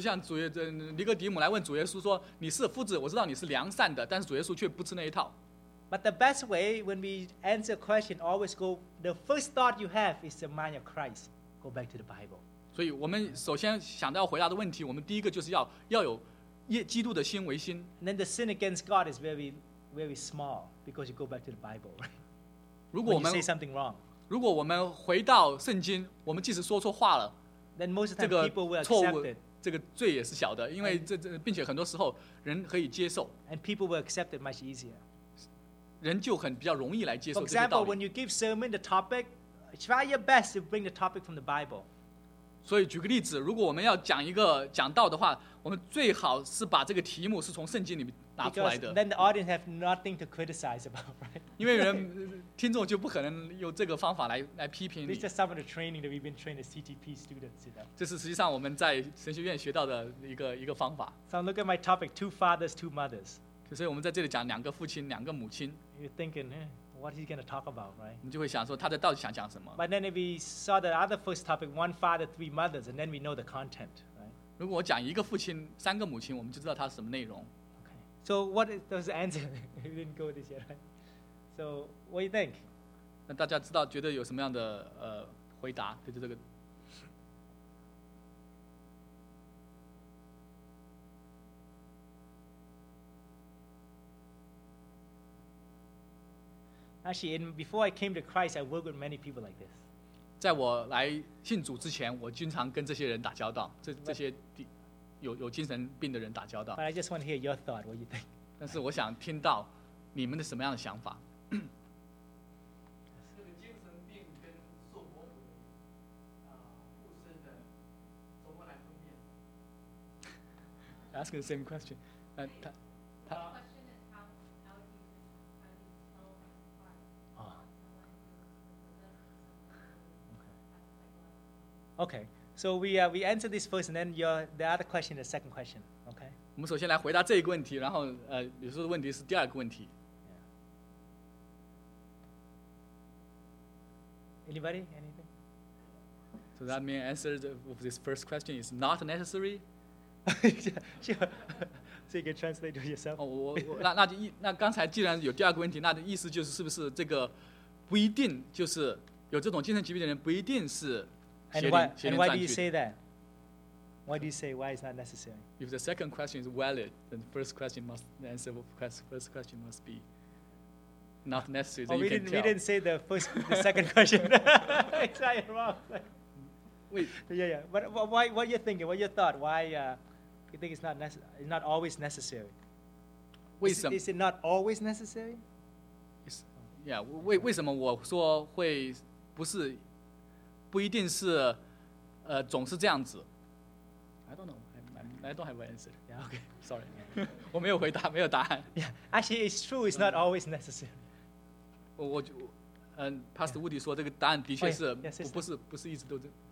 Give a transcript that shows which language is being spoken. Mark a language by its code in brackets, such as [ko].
[zh] 就像尼哥底母来问主耶稣说，你是夫子，我知道你是良善的，但是主耶稣却不吃那一套。 [en] But the best way when we answer a question, always go, the first thought you have is the mind of Christ. Go back to the Bible. [zh] 所以我们首先想到要回答的问题，我们第一个就是要有基督的心为心。 [en] And then the sin against God is very, very small because you go back to the Bible, right? [zh] 如果我们 [en] say something wrong. [zh] 如果我们回到圣经，我们即使说错话了，这个错误，这个罪也是小的，因为并且很多时候人可以接受。 [en] And people will accept it much easier. [zh] 人就很比较容易来接受这个道理。 [en] For example, when you give sermon the topic, try your best to bring the topic from the Bible. [zh] 所以举个例子，如果我们要讲一个讲道的话，我们最好是把这个题目是从圣经里面拿出来的。 [en] Because then the audience have nothing to criticize about, right? [zh] 因为人听众就不可能用这个方法来批评你。 [en] This is some of the training that we've been training as CTP students, you know. [zh] 这是实际上我们在神学院学到的一个方法。 [en] So look at my topic: two fathers, two mothers. [zh] 所以我们在这里讲两个父亲，两个母亲。 [en] You're thinking, what he's going to talk about, right? [zh] 你就会想说他在到底想讲什么。 [en] But then if we saw the other first topic, one father, three mothers, and then we know the content, right? [zh] 如果我讲一个父亲，三个母亲，我们就知道他什么内容。 [en] Okay. So what does the answer? We didn't go this yet, right? So what do you think? [zh] 那大家知道觉得有什么样的回答对这个？ [en] Actually, before I came to Christ, I worked with many people like this. [zh] 在我来信主之前，我经常跟这些人打交道，这些有精神病的人打交道。 [en] But I just want to hear your thought. What you think? [zh] 但是我想听到你们的什么样的想法。 [en] Asking the same question. Okay, so we answer this first, and then the other question, the second question. Okay. [zh] 我们首先来回答这一个问题，然后你说的问题是第二个问题。 [en] Yeah. Anybody? Anything? So that means answer of this first question is not necessary. So you can translate to yourself. [zh] 那刚才既然有第二个问题，那的意思就是是不是这个不一定就是有这种精神疾病的人不一定是。 [en] And why do you say it's not necessary? If the second question is valid, then the first question must, the answer of the first question must be not necessary. Oh, we didn't say the second question. It's not wrong. Wait. Yeah. But why? What you thinking? What your thought? Why you think it's not necessary? It's not always necessary. Wait. Is it not always necessary? [zh] Yeah. 为什么我说会不是？不一定是，总是这样子。 [en] I don't know. I don't have an answer. Yeah. Okay. [zh] Sorry. 我没有回答，没有答案。 [en] Yeah. Actually, it's true. It's not always necessary. [zh] 我Pastor Woody 说这个答案的确是不是一直都这。